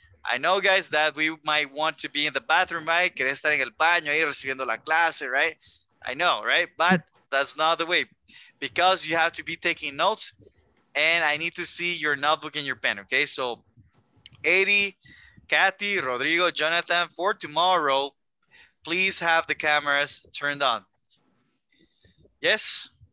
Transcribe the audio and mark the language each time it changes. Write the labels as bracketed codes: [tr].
[en] I know, guys, that we might want to be in the bathroom, right? [es] Querer estar en el baño ahí recibiendo la clase, right? [en] I know, right? But that's not the way, because you have to be taking notes, and I need to see your notebook and your pen, okay? So, Eddie, Kathy, Rodrigo, Jonathan, for tomorrow, please have the cameras turned on. Yes?